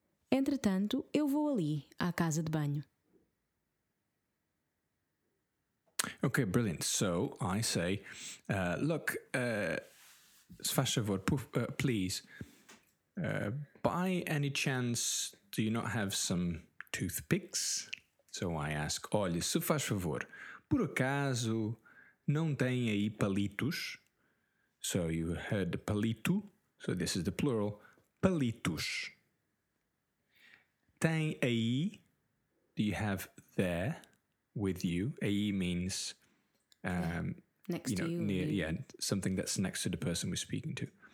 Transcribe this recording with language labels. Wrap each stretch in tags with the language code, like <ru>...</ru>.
<pt>Entretanto, eu vou ali, à casa de banho.</pt> <en>Okay, brilliant. So, I say, look,</en> <pt>se faz favor,</pt> <en>please, by any chance, do you not have some toothpicks? So I ask,</en> <pt>olha, se faz favor, por acaso, não tem aí palitos?</pt> <en>So you heard palito, so this is the plural, palitos.</en> <pt>Tem aí,</pt> <en>do you have there with you? Aí means next, you know, to you. Near, yeah, something that's next to the person we're speaking to.</en>